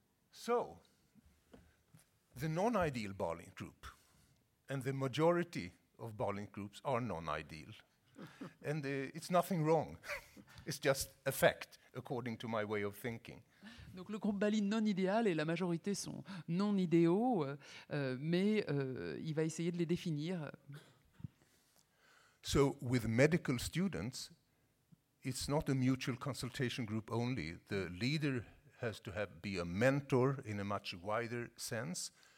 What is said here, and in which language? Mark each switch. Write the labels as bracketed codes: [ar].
[en] So, the non-ideal Berlin group and the majority of Berlin groups are non-ideal. And it's nothing wrong. It's just a fact, according to my way of thinking. [fr] Donc le groupe Berlin non idéal et la majorité sont non idéaux, mais il va essayer de les définir. [en] So with medical students, it's not a mutual consultation group only. The leader has to be a mentor in a much wider sense.